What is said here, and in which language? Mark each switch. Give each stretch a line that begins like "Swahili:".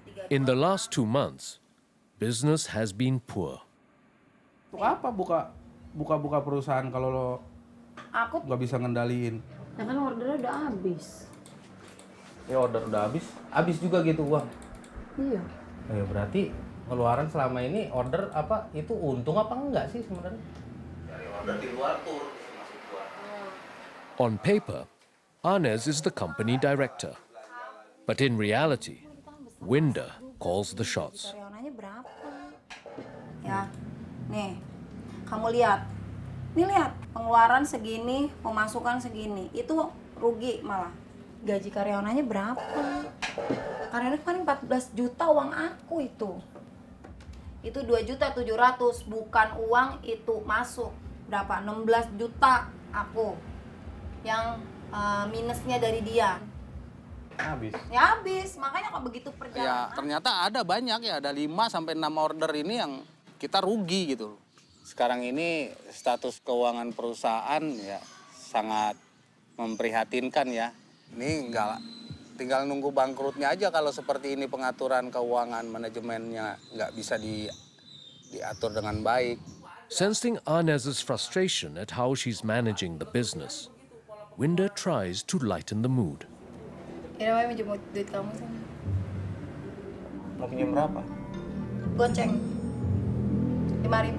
English: In the last 2 months, business has been poor.
Indonesian: Apa buka perusahaan kalau lo nggak bisa ngendaliin? Ya kan ordernya udah habis. Ya order udah habis, habis juga gitu uang. Iya. Ya berarti keluaran selama ini order apa itu untung apa enggak sih sebenarnya? Dari order di luar tur masuk tur.
English: On paper, Anes is the company director, but in reality. Winda calls the shots.
Indonesian: Karyawannya berapa? Ya, nih, kamu lihat. Nih lihat, pengeluaran segini, pemasukan segini. Itu rugi malah. Gaji karyawannya berapa? Karyawannya paling 14 juta uang aku itu. Itu 2 juta 700, bukan uang itu masuk. Berapa? 16 juta aku. Yang minusnya dari dia. Habis. Ya habis, makanya kok begitu perjalanan. Ya ternyata ada banyak ya, ada 5-6 order ini yang kita rugi gitu. Sekarang ini status keuangan perusahaan ya sangat memprihatinkan ya. Ini nggak, tinggal nunggu bangkrutnya aja kalau seperti ini pengaturan keuangan manajemennya nggak bisa diatur dengan baik.
English: Sensing Anes's frustration at how she's managing the business, Winda tries to lighten the mood.
Indonesian: Ini mau minjem duit kamu sama. Mau pinjam berapa? Goceng. 5.000.